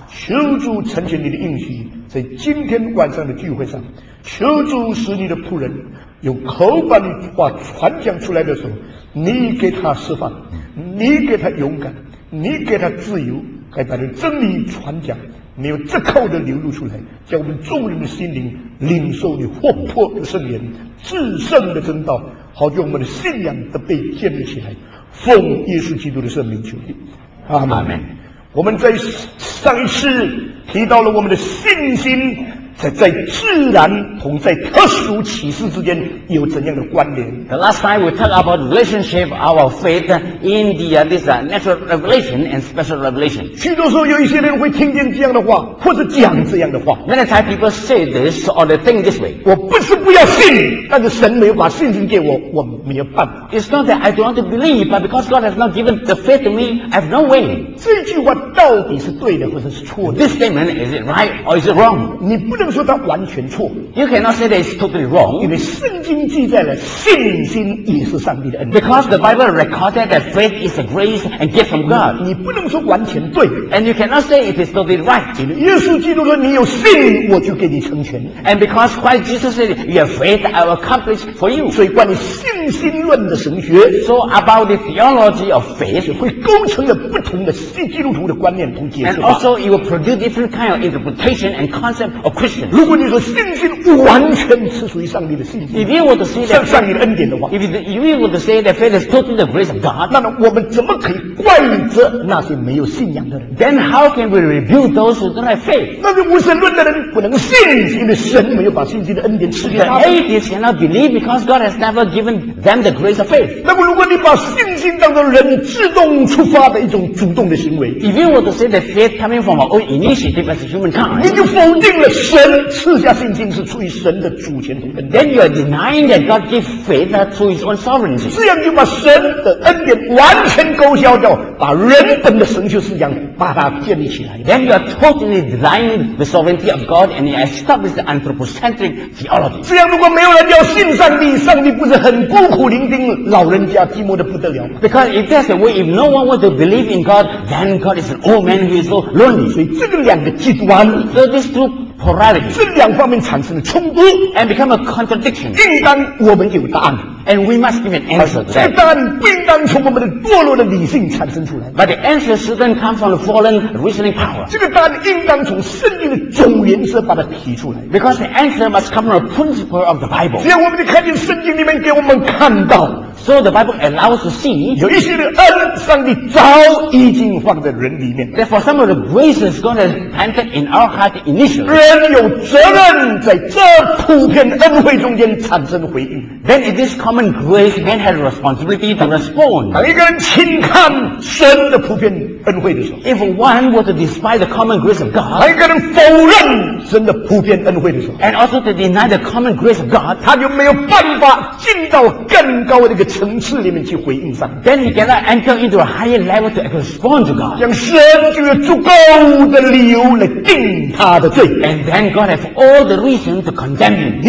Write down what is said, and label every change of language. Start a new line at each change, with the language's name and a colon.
Chinese: 求主成全你的应许，在今天晚上的聚会上，求主使你的仆人有口把你话传讲出来的时候，你给他释放，你给他勇敢，你给他自由，该把这真理传讲，没有折扣的流露出来，叫我们众人的心灵领受你活泼的圣言，至圣的真道，好叫我们的信仰都被建立起来。奉耶稣基督的圣名求你，阿门。
English: Amen.
Chinese: 我们在上一次提到了我们的信心在自然同在特殊启示之间有怎样的关联。
English: The last time we talked about relationship of our faith in the natural revelation and special revelation.
Chinese: 许多时候有一些人会听见这样的话或者讲这样的话。
English: Many times people say this or they think this way.
Chinese: 我不是不要信，但是神没有把信心给我，我没有办法。
English: It's not that I don't want to believe, but because God has not given the faith to me, I have no way.
Chinese: 这句话到底是对的或者是错的？
English: This statement, is it right or is it wrong?
Chinese: 你不能说它完全错。
English: You cannot say that it's totally wrong.
Chinese: 因为圣经记载了信心也是上帝的恩。
English: Because the Bible recorded that faith is a grace and gift from God.
Chinese: 你不能说完全对。
English: And you cannot say it is totally right.
Chinese: 因为耶稣基督说你有信，我就给你成全。
English: And because Christ Jesus said you have faith, I will accomplish for you.
Chinese: 所以关于信心论的神学
English: ，So about the theology of faith,
Chinese: 会构成了不同的基督徒的观念同解释。
English: And also it will produce different kind of interpretation and concept of Christians.
Chinese: 如果你说信心完全是属于上帝的信心，
English: if you were to say that
Chinese: 上帝的恩典的话，
English: if you were to say that faith is totally the grace of God,
Chinese: 那我们怎么可以怪责那些没有信仰的人？
English: Then how can we rebuke those who don't have faith?
Chinese: 那些无神论的人不能信，因为神没有把信心的恩典赐给他们。
English: The atheists cannot believe because God has never given them the grace of faith.
Chinese: 那么如果你把信心当作人自动触发的一种主动的行为，
English: if you were to say that faith coming from our own initiative as a humankind,
Chinese: 你就否定了神赐下信心是出于神的主权和恩。
English: Then you are denying that God gives faith to His own sovereignty.
Chinese: 这样就把神的恩典完全勾销掉，把人本的神学思想把它建立起来。
English: Then you are totally denying the sovereignty of God and you establish the anthropocentric theology.
Chinese: 这样如果没有人要信上帝，上帝不是很孤苦伶仃、老人家寂寞的不得了？
English: Because if that's the way, if no one were to believe in God, then God is an old man who is so lonely.
Chinese: 所以这个两个极端。
English: So this two. Polarity.
Chinese: 这两方面产生了冲突
English: and become a contradiction.
Chinese: 应当我们有答案
English: and we must give an answer.
Chinese: 这个答案不应当从我们的堕落的理性产生出来
English: but the answer shouldn't come from the fallen reasoning power.
Chinese: 这个答案应当从圣经的总原则把它提出来
English: because the answer must come from the principle of the Bible.
Chinese: 只要我们就看见圣经里面给我们看到
English: so the Bible allows to see.
Chinese: 有一些的恩，上帝早已经放在人里面
English: that for some of the graces God has planted in our heart initially.
Chinese: 人有责任在这普遍恩惠中间产生回应。
English: Then in this common grace, man has responsibility to respond.
Chinese: 当一个人轻看神的普遍恩惠的时候
English: ，If one were to despise the common grace of God，
Chinese: 当一个人否认神的普遍恩惠的时候
English: ，And also to deny the common grace of God，
Chinese: 他就没有办法进到更高的一个层次里面去回应上。
English: Then he cannot enter into a higher level to respond to God。
Chinese: 让神就有足够的理由来定他的罪。
English: And then God has all the reason to condemn him。